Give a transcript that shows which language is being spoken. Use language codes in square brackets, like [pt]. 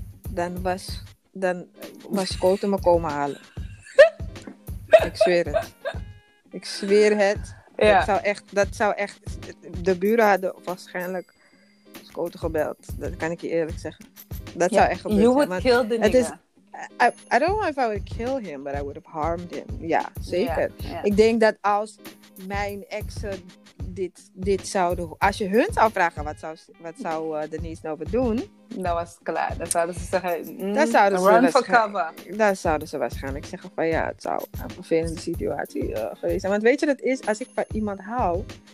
[nl] Dan was Koten me komen halen. Ik zweer het. Ik zweer het. Ja. Dat zou echt... De buren hadden waarschijnlijk... Koten gebeld. Dat kan ik je eerlijk zeggen. Dat zou echt gebeuren. [en] You would kill the nigga. I don't know if I would kill him, but I would have harmed him. [nl] Ja, zeker. [en] Yeah, yeah. [nl] Ik denk dat als mijn exen dit zouden... Als je hun zou vragen, wat zou Denise nou doen? Dat was klaar. Dan zouden ze zeggen... Dan zouden ze waarschijnlijk zeggen van ja, het zou een vervelende situatie geweest zijn. Want weet je, dat is als ik van iemand hou...